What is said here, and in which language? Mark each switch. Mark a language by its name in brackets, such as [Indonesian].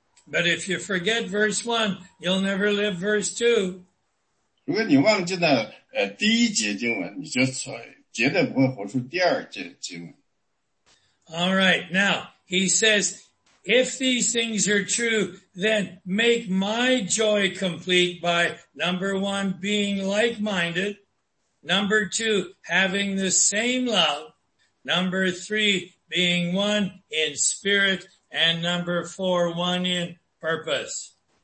[English] But if you forget verse 1, you'll never live verse 2. [Chinese] 如果你忘记了第一节经文,你就绝对不会活出第二节经文。 [English] All right, now, he says, if these things are true, then make my joy complete by, number 1, being like-minded, number 2, having the same love, number 3, being one in spirit, and number 4, one in purpose.